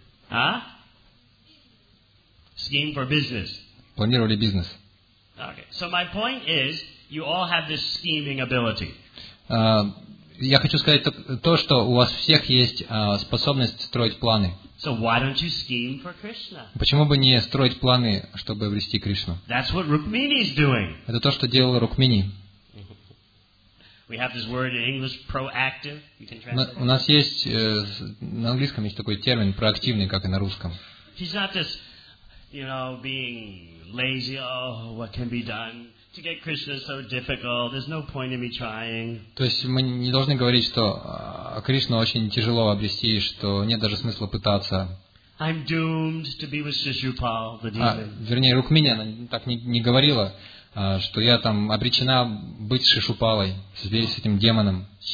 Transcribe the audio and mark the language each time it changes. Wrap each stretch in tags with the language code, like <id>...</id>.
<en>Huh? Scheme for business.</en> <ru>планировали бизнес.</ru> <en>Okay. So my point is, you all have this scheming ability.</en> <ru>Я хочу сказать то, что у вас всех есть способность строить планы.</ru> <en>So why don't you scheme for Krishna?</en> <ru>Почему бы не строить планы, чтобы обрести Кришну?</ru> <en>That's what Rukmini is doing.</en> <ru>Это то, что делал Рукмини.</ru> <en>We have this word in English, proactive. You can translate.</en> <ru>У нас есть на английском есть такой термин проактивный, как и на русском.</ru> <en>He's not just, you know, being lazy. Oh, what can be done to get Krishna so difficult? There's no point in me trying.</en> <ru>То есть мы не должны говорить, что Кришну очень тяжело обрести, что нет даже смысла пытаться.</ru> <en>I'm doomed to be with Shishupal, the demon.</en> <ru>Вернее, Рукмини она так не говорила. Что я там обречена быть Шишупалой, с этим демоном.</ru>